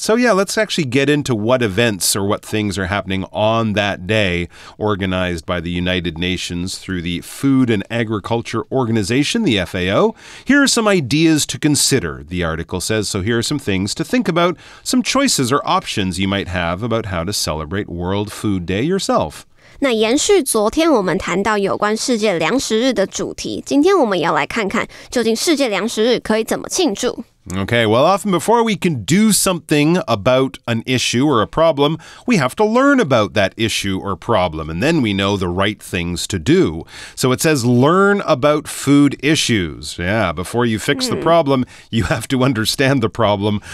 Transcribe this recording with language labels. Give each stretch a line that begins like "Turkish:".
English: So yeah, let's actually get into what events or what things are happening on that day, organized by the United Nations through the Food and Agriculture Organization, the FAO. Here are some ideas to consider, the article says. So here are some things to think about, some choices or options you might have about how to celebrate World Food Day yourself.
Chinese: 那延续昨天我们谈到有关世界粮食日的主题，今天我们要来看看究竟世界粮食日可以怎么庆祝。
English: Okay, well, often before we can do something about an issue or a problem, we have to learn about that issue or problem, and then we know the right things to do. So it says, learn about food issues. Yeah, before you fix the problem, you have to understand the problem.